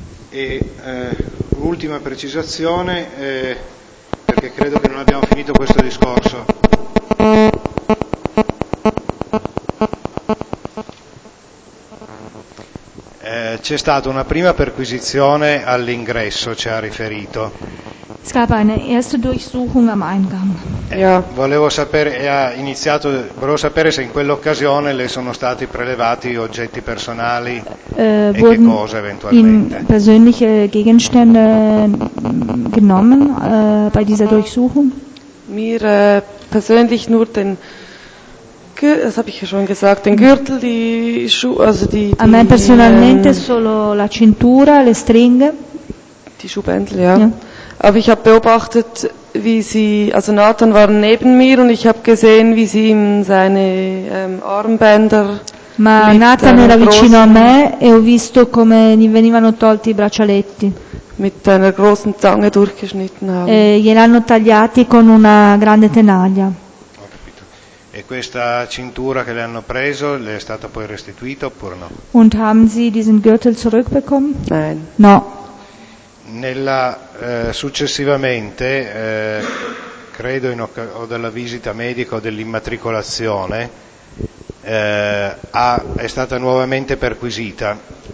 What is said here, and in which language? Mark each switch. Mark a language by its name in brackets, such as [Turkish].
[Italian] E ultima precisazione, perché credo che non abbiamo finito questo discorso. C'è stata una prima perquisizione all'ingresso, ci ha riferito. [German] Es gab eine erste Durchsuchung am Eingang. [Italian] Volevo sapere, ha iniziato, volevo sapere se in quell'occasione le sono stati prelevati oggetti personali e che cosa eventualmente. [German] In persönliche Gegenstände genommen bei dieser Durchsuchung? Mir persönlich nur den, das habe ich ja schon gesagt, den Gürtel, die Schuhe, also die. [Italian] A me personalmente solo la cintura, le stringhe. [German] Die Schuhbändel, ja. Aber ich habe beobachtet, wie sie, also Nathan war neben mir und ich habe gesehen, wie sie ihm seine Armbänder. [Italian] Ma Nathan era vicino a me e ho visto come gli venivano tolti i braccialetti. [German] Mit einer großen Zange durchgeschnitten haben. [Italian] E gliel'hanno tagliati con una grande tenaglia. Ho capito. E questa cintura che le hanno preso le è stata poi restituita oppure no? [German] Und haben Sie diesen Gürtel zurückbekommen? Nein. [Italian] No. Nella successivamente, credo in o della visita medica o dell'immatricolazione, è stata nuovamente perquisita.